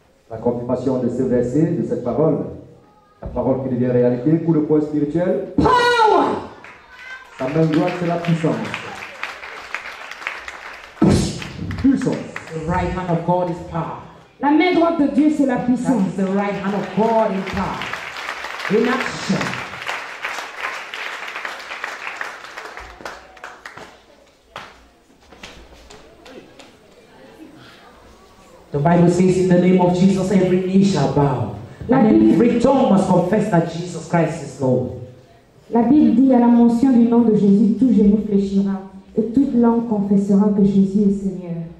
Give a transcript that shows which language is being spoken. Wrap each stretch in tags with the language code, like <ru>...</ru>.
<fr>La confirmation de ce verset, de cette parole. La parole qui dit la réalité, coup de poing spirituel.</fr> <en>Power!</en> <fr>Sa main droite, c'est la puissance. Puissance.</fr> <en>The right hand of God is power.</en> <fr>La main droite de Dieu, c'est la puissance.</fr> <en>That is the right hand of God in power. In action. The Bible says, in the name of Jesus, every knee shall bow. And every tongue must confess that Jesus Christ is Lord.</en> <fr>La Bible dit, à la mention du nom de Jésus, tout genou fléchira et toute langue confessera que Jésus est Seigneur.</fr>